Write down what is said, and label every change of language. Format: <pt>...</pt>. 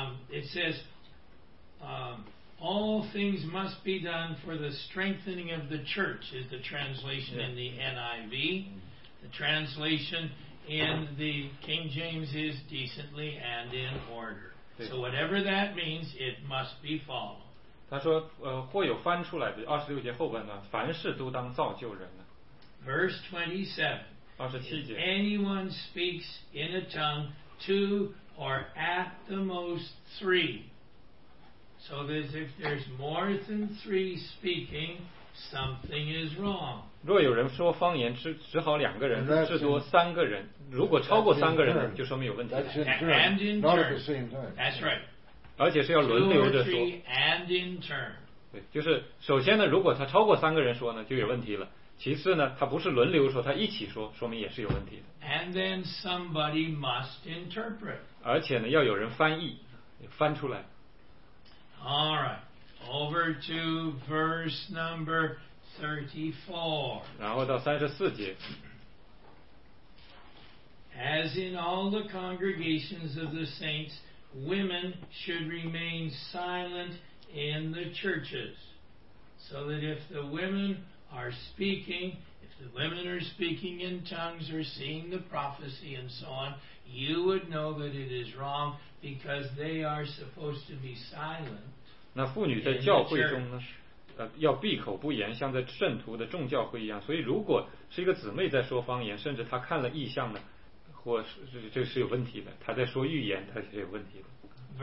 <en>It says, all things must be done for the strengthening of the church, is the translation in the NIV. The translation in the King James is decently and in order. So whatever that means, it must be followed.</en> <zh>他说，或有翻出来的二十六节后半段，凡事都当造就人了。</zh> <en>Verse 27。</en> <zh>二十七节。</zh> <en>Anyone speaks in a tongue, two or at the most three. So that if there's more than three speaking, something is wrong.</en> <zh>若有人说方言，只好两个人，至多三个人。如果超过三个人，就说明有问题。</zh> <en>And in turn. That's right.</en> <zh>而且是要轮流着说。对，就是首先呢，如果他超过三个人说呢，就有问题了。其次呢，他不是轮流说，他一起说，说明也是有问题的。</zh> <en>And then somebody must interpret.</en> <zh>而且呢，要有人翻译，翻出来。</zh> <en>All right, over to verse number 34.</en> <zh>然后到三十四节。</zh> <en>As in all the congregations of the saints. Women should remain silent in the churches, so that if the women are speaking, if the women are speaking in tongues or seeing the prophecy and so on, you would know that it is wrong because they are supposed to be silent.</en> <zh>那妇女在教会中呢，要闭口不言，像在圣徒的众教会一样。所以，如果是一个姊妹在说方言，甚至她看了异象呢？或是这是有问题的，他在说预言，他是有问题的。</zh>